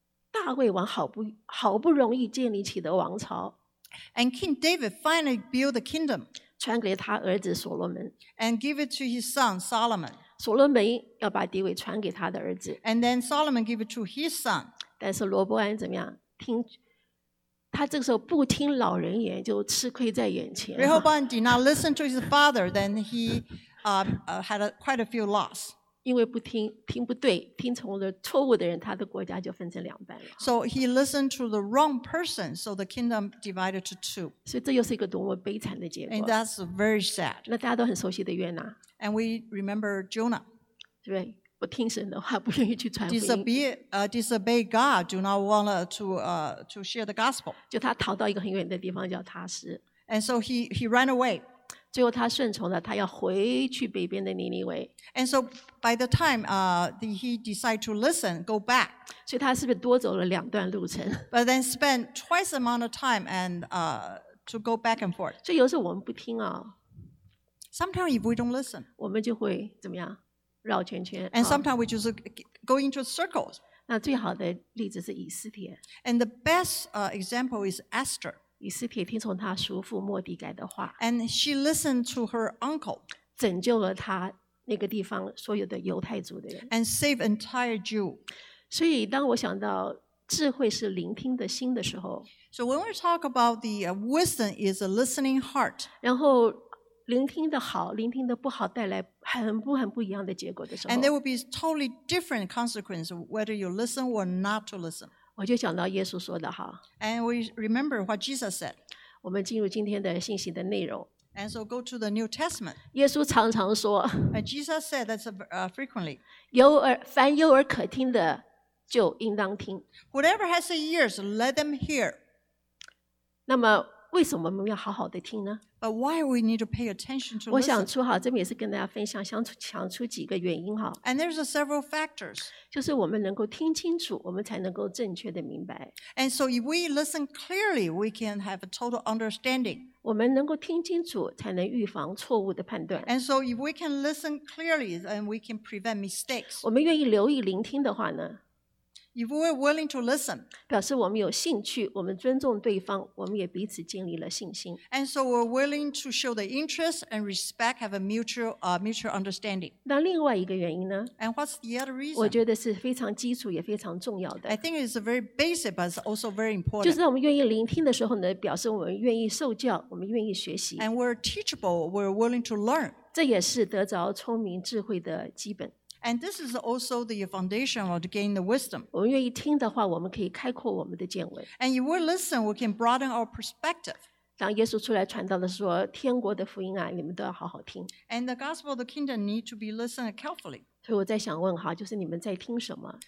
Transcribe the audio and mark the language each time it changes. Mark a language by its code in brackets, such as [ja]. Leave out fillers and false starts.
[zh] 大卫王好不容易建立起的王朝 [en] ，and King David finally built the kingdom, [zh] 传给他儿子所罗门 [en] ，and give it to his son Solomon. [zh] 所罗门要把地位传给他的儿子 [en] ，and then Solomon gave it to his son. [zh] 但是罗伯安怎么样？听他这个时候不听老人言，就吃亏在眼前。 [en] Rehoboam did not listen to his father, then he had quite a few loss. [zh] 因为不听听不对听从了错误的人他的国家就分成两半了 [en] So he listened to the wrong person so the kingdom divided to two [zh] 所以这又是一个多么悲惨的结果 [en] And that's very sad [zh] 那大家都很熟悉的约拿 [en] And we remember Jonah [zh] 对不听神的话不愿意去传福音 [en] disobey God do not want to share the gospel [zh] 就他逃到一个很远的地方叫他实 [en] And so he ran away [zh] 最后他顺从了他要回去北边的尼尼微 [en] And so by the time he decided to listen, go back. [zh] 所以他是不是多走了两段路程 [en] But then spent twice the amount of time and, to go back and forth. [zh] 所以有时候我们不听啊 [en] Sometimes if we don't listen. [zh] 我们就会怎么样绕圈圈 [en] And sometimes we just go into circles. [zh] 那最好的例子是以斯帖 [en] And the best, example is Esther. [zh] 以斯帖听从他叔父莫迪改的话 [en] ，and she listened to her uncle， [zh] 拯救了他那个地方所有的犹太族的人 [en] ，and save entire Jew。 [zh] 所以当我想到智慧是聆听的心的时候 [en] ，so when we talk about the wisdom is a listening heart， [zh] 然后聆听的好，聆听的不好带来很不一样的结果的时候 [en] ，and there will be totally different consequence whether you listen or not to listen。 [zh] 我就想到耶稣说的哈 [en] And we remember what Jesus said. [zh] 我们进入今天的信息的内容 [en] And so go to the New Testament. [zh] 耶稣常常说 [en] And Jesus said that's frequently. [zh] 凡有耳可听的就应当听 [en] Whatever has ears, let them hear. [zh] 那么为什么我们要好好的听呢 [en] But why we need to pay attention to listen? [zh] 我想出好这边也是跟大家分享想出几个原因哈 [en] And there's several factors. [zh] 就是我们能够听清楚我们才能够正确的明白 [en] And so if we listen clearly, we can have a total understanding. [zh] 我们能够听清楚才能预防错误的判断 [en] And so if we can listen clearly, then we can prevent mistakes. [zh] 我们愿意留意聆听的话呢 [en] If we're willing to listen, [zh] 表示我们有兴趣，我们尊重对方，我们也彼此建立了信心。 [en] And so we're willing to show the interest and respect, have a mutual understanding. [zh] 那另外一个原因呢 [en] ？And what's the other reason? [zh] 我觉得是非常基础，也非常重要的。 [en] I think it's very basic, but it's also very important. [zh] 就是我们愿意聆听的时候呢，表示我们愿意受教，我们愿意学习。 [en] And we're teachable, we're willing to learn. [zh] 这也是得着聪明智慧的基本。 [en] And this is also the foundation of gaining the wisdom. [zh] 我们愿意听的话，我们可以开阔我们的见闻。 [en] And if we listen, we can broaden our perspective. [zh] 当耶稣出来传道的时候，天国的福音啊，你们都要好好听。 [en] And the gospel of the kingdom need to be listened carefully. [zh] 所以我在想问哈，就是你们在听什么？